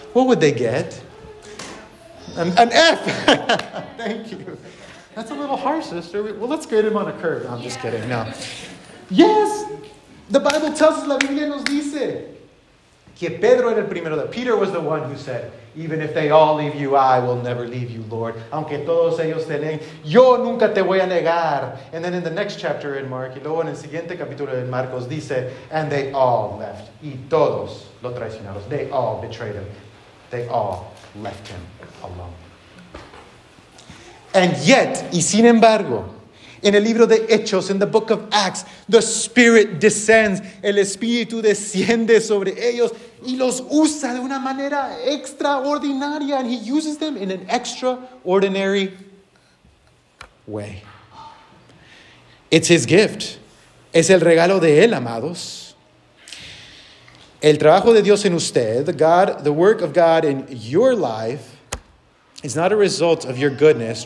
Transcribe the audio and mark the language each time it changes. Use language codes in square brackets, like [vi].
[en] What would they get? An F. Thank you. That's a little harsh, sister. Well, let's grade him on a curve. No, I'm just kidding. No. Yes. The Bible tells us, [es] la Biblia nos dice, que Pedro era el primero. [en] Peter was the one who said, even if they all leave you, I will never leave you, Lord. [es] Aunque todos ellos te den, yo nunca te voy a negar. [en] And then in the next chapter in Mark, [es] y luego en el siguiente capítulo de Marcos dice, [en] and they all left. [es] Y todos lo traicionaron. [en] They all betrayed him. They all left him alone. And yet, [es] y sin embargo, [en] in [es] el libro de Hechos, [en] in the book of Acts, the Spirit descends. [es] El Espíritu desciende sobre ellos y los usa de una manera extraordinaria. [en] And he uses them in an extraordinary way. It's his gift. [es] Es el regalo de él, amados. El trabajo de Dios en usted, [en] the work of God in your life, it's not a result of your goodness.